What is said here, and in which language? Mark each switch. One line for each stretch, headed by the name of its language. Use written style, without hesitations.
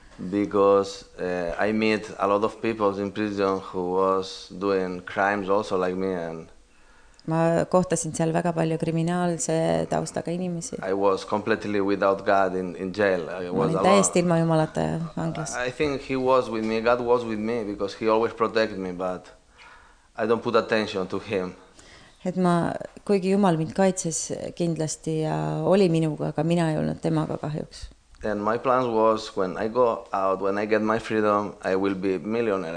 English: Because I meet a lot of people in prison who was doing crimes also like me and
Estonian: ma kohtasin seal väga palju kriminaalse taustaga inimesi.
English: I was completely without God in jail.
Estonian: Ma olin täiesti ilma Jumalata vanglas.
English: I think he was with me. God was with me because he always protected me, but I don't put attention to him.
Estonian: Et ma kuigi Jumal mind kaitses kindlasti ja oli minuga, aga mina ei olnud temaga kahjuks.
English: And my plans was when I go out, when I get my freedom, I will be a millionaire.